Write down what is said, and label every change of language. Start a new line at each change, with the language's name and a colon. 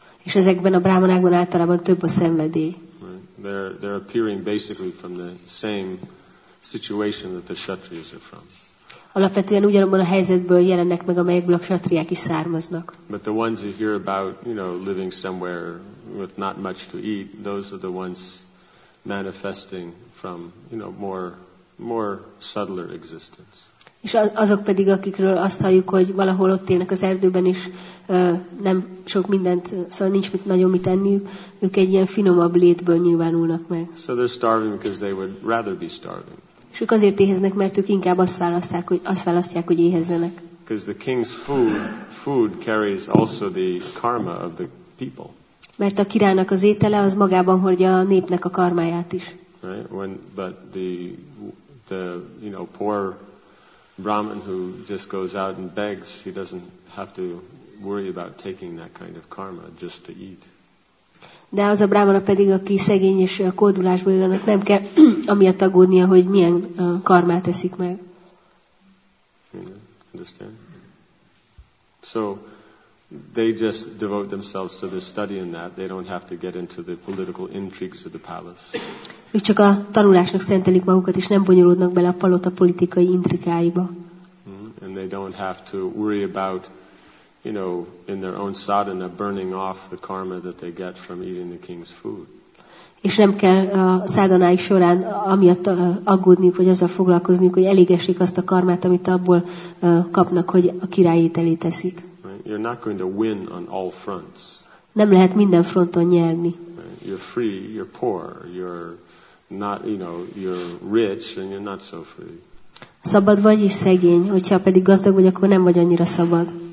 Hungarian: És ezekben a brahmanákban általában több a szenvedély.
English: They're appearing basically from the same situation that the kshatriyas are from.
Hungarian: Alapvetően ugyanabban a helyzetből jelennek meg, amelyekből a kshatriák is származnak.
English: But the ones you hear about, you know, living somewhere with not much to eat, those are the ones manifesting from, you know, more subtler existence.
Hungarian: És azok pedig, akikről azt halljuk, hogy valahol ott élnek az erdőben is, nem sok mindent, szóval nincs mit, nagyon mit enniük, ők egy ilyen finomabb létből nyilvánulnak meg.
English: So they're starving because they would rather be starving.
Hungarian: És ők azért éheznek, mert ők inkább azt választják, hogy éhezzenek.
English: Because the king's food carries also the karma of the people.
Hungarian: Mert a királynak az étele az magában hordja a népnek a karmáját is.
English: Right? But the you know, poor brahmin who just goes out and begs, he doesn't have to worry about taking that kind of karma just to eat.
Hungarian: De az a brámana pedig, aki szegény és kódulásból él, annak nem kell amiatt aggódnia, hogy milyen karmát eszik meg.
English: Yeah, understand? So they just devote themselves to the study in that. They don't have to get into the political intrigues of the palace.
Hungarian: Ők csak a tanulásnak szentelik magukat, és nem bonyolódnak bele a palota politikai intrikáiba.
English: And they don't have to worry about, you know, in their own sadhana, burning off the karma that they get from eating the king's food.
Hungarian: És nem kell szádanáik során amiatt aggódniuk, vagy azzal foglalkozniuk, hogy elégessék azt a karmát, amit abból kapnak, hogy a király ételét eszik.
English: Right? You're not going to win on all fronts.
Hungarian: Nem lehet minden fronton nyerni.
English: Right? You're free, you're poor, you're not, you know, you're rich, and you're not so free.
Hungarian: Szabad vagy és szegény, hogyha pedig gazdag vagy, akkor nem vagy annyira szabad.